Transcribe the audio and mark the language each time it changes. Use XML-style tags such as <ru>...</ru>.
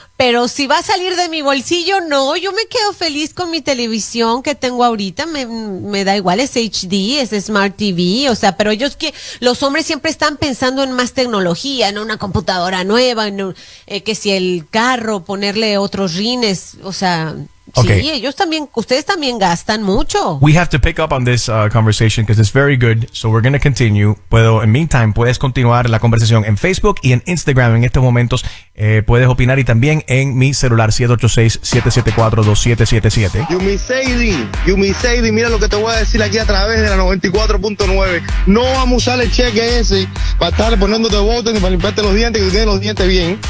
<es>Pero si va a salir de mi bolsillo, no. Yo me quedo feliz con mi televisión que tengo ahorita. Me da igual, es HD, es Smart TV. O sea, pero ellos que los hombres siempre están pensando en más tecnología, en una computadora nueva, en que si el carro, ponerle otros rines. O sea, okay. Sí, ellos también, ustedes también gastan mucho.</es> <en>We have to pick up on this conversation because it's very good. So we're going to continue.</en> <es>Pero en meantime, puedes continuar la conversación en Facebook y en Instagram en estos momentos. Puedes opinar y también en mi celular 786-774-2777. Yumi Seidy, mira lo que te voy a decir aquí a través de la 94.9. No vamos a usar el cheque ese para estar poniéndote botes ni para limpiarte los dientes, que tienes los dientes bien.</es>